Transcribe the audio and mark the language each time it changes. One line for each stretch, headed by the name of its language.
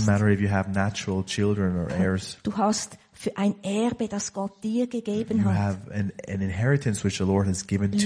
English: Doesn't matter if you have natural children or heirs.
German: Du hast für ein Erbe, das Gott dir gegeben hat.
English: You have an inheritance which the Lord has given to